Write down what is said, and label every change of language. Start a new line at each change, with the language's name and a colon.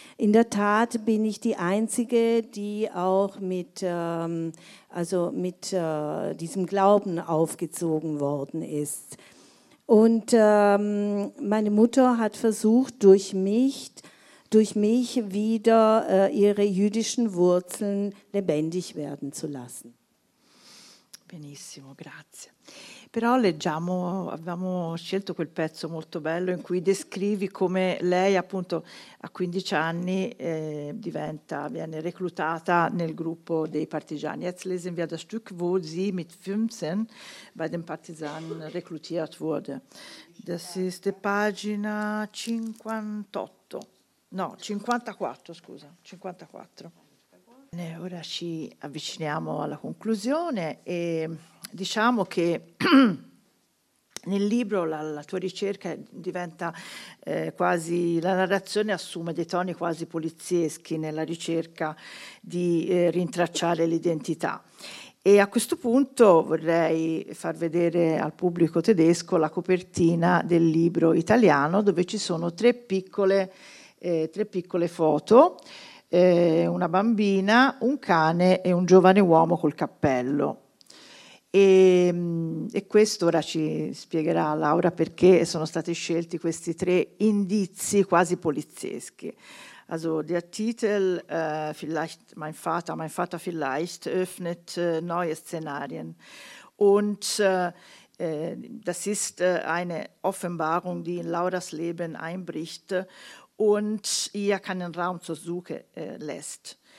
German: In der Tat bin ich die Einzige, die auch mit diesem Glauben aufgezogen worden ist. Und meine Mutter hat versucht, durch mich wieder ihre jüdischen Wurzeln lebendig werden zu lassen.
Italian: Benissimo, grazie. Però leggiamo, abbiamo scelto quel pezzo molto bello in cui descrivi come lei appunto a 15 anni viene reclutata nel gruppo dei partigiani.
German: Jetzt lesen wir das Stück, wo sie mit 15 bei den Partisanen rekrutiert wurde. Das ist die
Italian: pagina 58, no 54, scusa, 54. Bene, ora ci avviciniamo alla conclusione e diciamo che nel libro la tua ricerca diventa quasi, la narrazione assume dei toni quasi polizieschi nella ricerca di rintracciare l'identità. E a questo punto vorrei far vedere al pubblico tedesco la copertina del libro italiano dove ci sono tre piccole foto, una bambina, un cane e un giovane uomo col cappello. E questo ora ci spiegherà Laura perché sono stati scelti questi tre indizi quasi polizieschi.
German: Also der Titel vielleicht mein Vater vielleicht öffnet neue Szenarien und das ist eine Offenbarung, die in Lauras Leben einbricht und ihr keinen Raum zur Suche lässt.